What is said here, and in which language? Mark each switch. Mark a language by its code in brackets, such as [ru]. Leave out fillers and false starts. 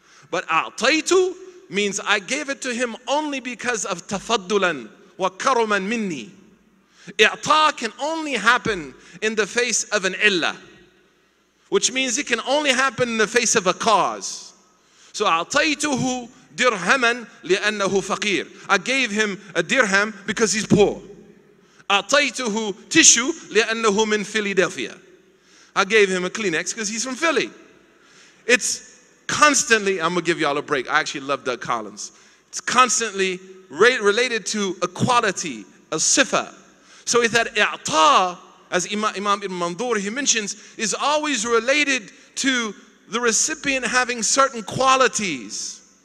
[en] But a'taytu means I gave it to him only because of [ar] tafaddulan wa karuman minni. [en] I'ta can only happen in the face of an illa, which means it can only happen in the face of a cause. So [ar] a'taytuhu dirhaman li'annahu faqir. [en] I gave him a dirham because he's poor. [ar] أعطيته تيشو لأنه من فيلادلفيا. [en] I gave him a Kleenex because he's from Philly. It's constantly, I'm going to give y'all a break. I actually love Doug Collins. It's constantly related to a quality, a sifa. So it's that i'ta, as Imam Ibn Mandur, he mentions, is always related to the recipient having certain qualities.